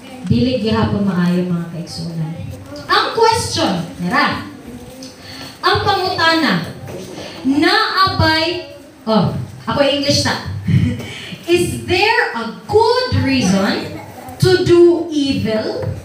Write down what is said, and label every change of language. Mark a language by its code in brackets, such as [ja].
[ceb] Dili gihapon maayo mga kaigsoonan. Ang question, nara. Ang pangutana, naabay, oh, ako English ta. [en] Is there a good reason to do evil?